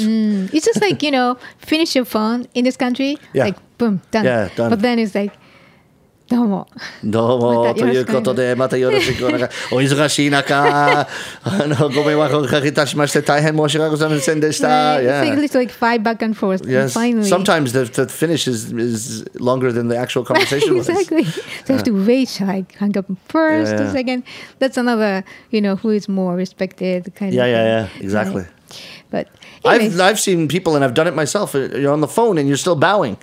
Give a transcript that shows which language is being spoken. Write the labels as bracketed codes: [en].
[en] It's just like, you know, finish your phone in this country, like, boom, done. Yeah, done. But then it's like, [ja] どうも。ということで、またよろしくお願い。お忙しい中、ご迷惑をかけたしまして、大変申し訳ございませんでした。 [en] Right. Yeah. It's like five back and forth. Yes. And finally. Sometimes the finish is longer than the actual conversation exactly. was. Exactly. So you have to wait, should I hang up first, a second? That's another, you know, who is more respected kind of Yeah, exactly. Right. But I've seen people, and I've done it myself. You're on the phone and you're still bowing.